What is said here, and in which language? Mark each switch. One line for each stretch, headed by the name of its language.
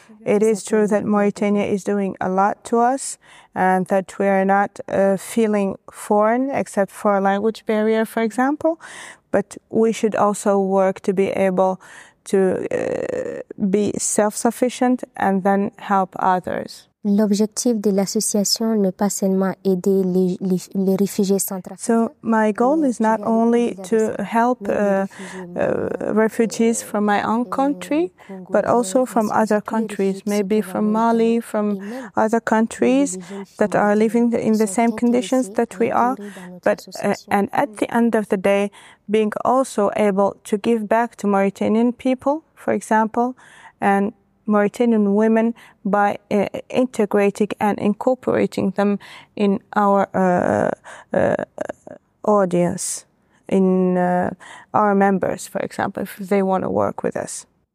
English: It is true that Mauritania is doing a lot to us and that we are not feeling foreign except for a language barrier, for example. But we should also work to be able to be self-sufficient and then help others.
French: L'objectif de l'association n'est pas seulement aider les réfugiés centrafricains.
English: So my goal is not only to help refugees from my own country, but also from other countries, maybe from Mali, from other countries that are living in the same conditions that we are. But and at the end of the day, being also able to give back to Mauritanian people, for example, and Mauritanian women by integrating and incorporating them in our audience, in our members, for example, if they want to work with us.